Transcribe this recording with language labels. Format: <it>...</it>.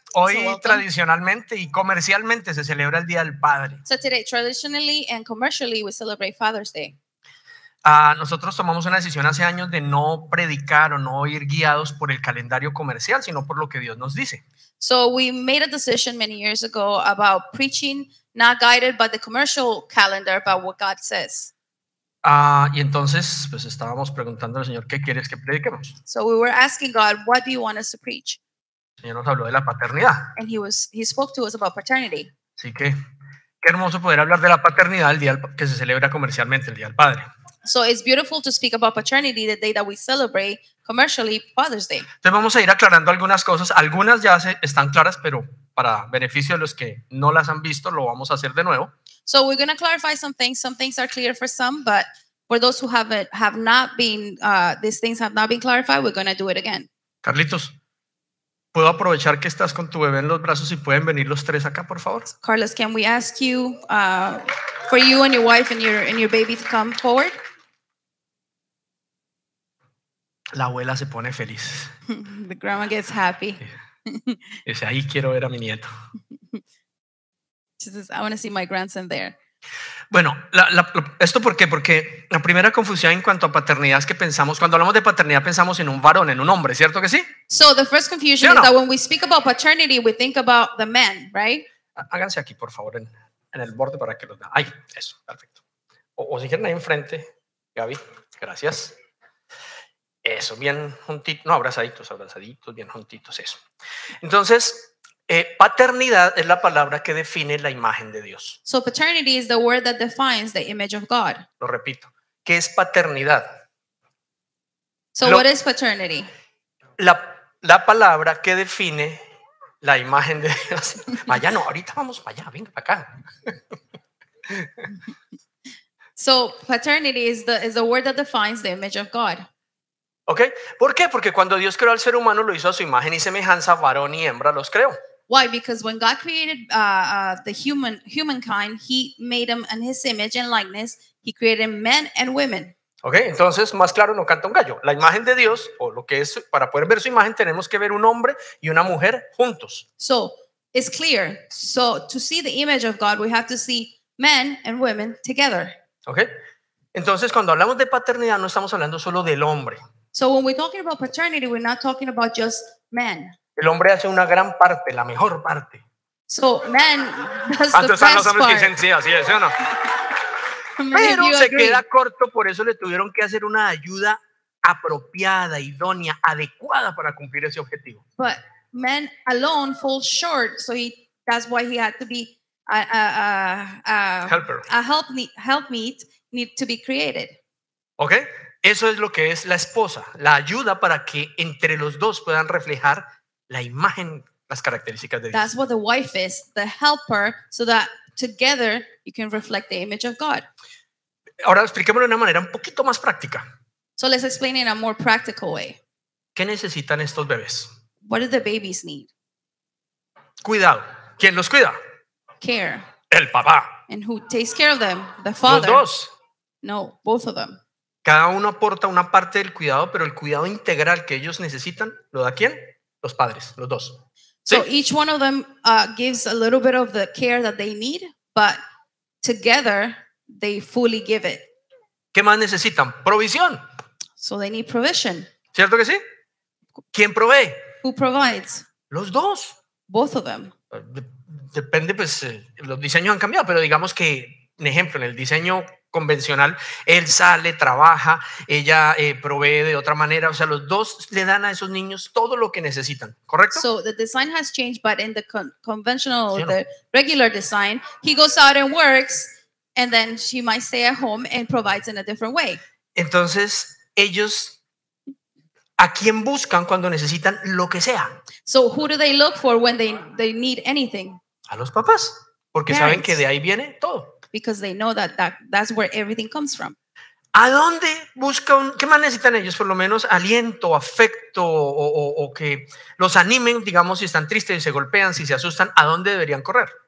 <es>Hoy, tradicionalmente y comercialmente, se celebra el Día del Padre.</es> <en>So today, traditionally and commercially, we celebrate Father's Day.</en> <es>Nosotros tomamos una decisión hace años de no predicar o no ir guiados por el calendario comercial, sino por lo que Dios nos dice.</es> <en>So we made a decision many years ago about preaching, not guided by the commercial calendar, but what God says.</en> <es>Y entonces, pues estábamos preguntando al Señor, ¿qué quieres que prediquemos?</es> <en>So we were asking God, what do you want us to preach?</en> <es>El Señor nos habló de la paternidad.</es> <en>And he spoke to us about paternity.</en> <es>Así que, qué hermoso poder hablar de la paternidad el día que se celebra comercialmente, el Día del Padre.</es> <en>So it's beautiful to speak about paternity, the day that we celebrate commercially, Father's Day.</en> <es>Entonces vamos a ir aclarando algunas cosas. Algunas ya están claras, pero para beneficio de los que no las han visto, lo vamos a hacer de nuevo.</es> <en>So we're going to clarify some things. Some things are clear for some, but for those who have not been clarified, we're going to do it again.</en> <es>Carlitos, ¿puedo aprovechar que estás con tu bebé en los brazos y pueden venir los tres acá, por favor?</es> <en>Carlos, can we ask you for you and your wife and your baby to come forward?</en> <es>La abuela se pone feliz.</es> <en>The grandma gets happy.</en> <es>Dice, ahí quiero ver a mi nieto.</es> <en>She says, I want to see my grandson there.</en> <es>Bueno, esto ¿por qué? Porque la primera confusión en cuanto a paternidad es que pensamos, cuando hablamos de paternidad, pensamos en un varón, en un hombre, ¿cierto que sí?</es> <en>So the first confusion,</en> <es>¿sí o no?</es> <en>Is that when we speak about paternity, we think about the man, right?</en> <es>Háganse aquí, por favor, en el borde para que los vean. Ahí, eso, perfecto. O si quieren ahí enfrente, Gaby, gracias. Eso, bien juntitos, no, abrazaditos, bien juntitos, eso. Entonces, paternidad es la palabra que define la imagen de Dios.</es> <en>So paternity is the word that defines the image of God.</en> <es>Lo repito, ¿qué es paternidad?</es> <en>So what is paternity?</en> <es>La palabra que define la imagen de Dios. Allá no, ahorita vamos para allá, venga para acá.</es> <en>So paternity is the word that defines the image of God.</en> <es>Okay. ¿Por qué? Porque cuando Dios creó al ser humano, lo hizo a su imagen y semejanza, varón y hembra los creó.</es> <en>Why? Because when God created the humankind, he made them in his image and likeness, he created men and women.</en> <es>Okay, entonces más claro no canta un gallo. La imagen de Dios, o lo que es, para poder ver su imagen, tenemos que ver un hombre y una mujer juntos.</es> <en>So, it's clear. So, to see the image of God, we have to see men and women together.</en> <es>Okay, entonces cuando hablamos de paternidad, no estamos hablando solo del hombre.</es> <en>So, when we're talking about paternity, we're not talking about just men.</en> <es>El hombre hace una gran parte, la mejor parte.</es> <en>So, man does the best part.</en> <es>Antes los hombres dicen sí, así es, ¿sí o no? Pero se queda corto, por eso le tuvieron que hacer una ayuda apropiada, idónea, adecuada para cumplir ese objetivo.</es> <en>But man alone falls short, so that's why he had to be helper. A help need to be created.</en> <es>Okay, eso es lo que es la esposa, la ayuda para que entre los dos puedan reflejar la imagen las características de Dios.</es> <en>That's what the wife is, the helper, so that together you can reflect the image of God.</en> <es>Ahora expliquémoslo de una manera un poquito más práctica.</es> <en>So let's explain in a more practical way.</en> <es>¿Qué necesitan estos bebés?</es> <en>What do the babies need?</en> <es>Cuidado. ¿Quién los cuida?</es> <en>Care.</en> <es>El papá.</es> <en>And who takes care of them? The father.</en> <es>Los dos.</es> <en>No, both of them.</en> <es>Cada uno aporta una parte del cuidado, pero el cuidado integral que ellos necesitan, ¿lo da quién? Los padres, los dos.</es> <en>So each one of them gives a little bit of the care that they need, but together they fully give it.</en> <es>¿Qué más necesitan? Provisión.</es> <en>So they need provision.</en> <es>¿Cierto que sí? ¿Quién provee?</es> <en>Who provides?</en> <es>Los dos.</es> <en>Both of them.</en> <es>Depende, pues los diseños han cambiado, pero digamos que, un ejemplo, en el diseño convencional, él sale, trabaja, ella provee de otra manera, o sea, los dos le dan a esos niños todo lo que necesitan, ¿correcto?</es> <en>So the design has changed, but in the conventional,</en> <es>¿sí o no?</es> <en>The regular design, he goes out and works, and then she might stay at home and provides in a different way.</en> <es>Entonces, ellos, ¿a quién buscan cuando necesitan lo que sea?</es> <en>So who do they look for when they need anything?</en> <es>A los papás, porque</es> <en>parents.</en> <es>Saben que de ahí viene todo.</es> <en>Because they know that's where everything comes from.</en> <es>¿A dónde busca un, qué más necesitan ellos? Por lo menos aliento, afecto o que los animen, digamos, si están tristes, si se golpean, si se asustan, ¿a dónde deberían correr?</es>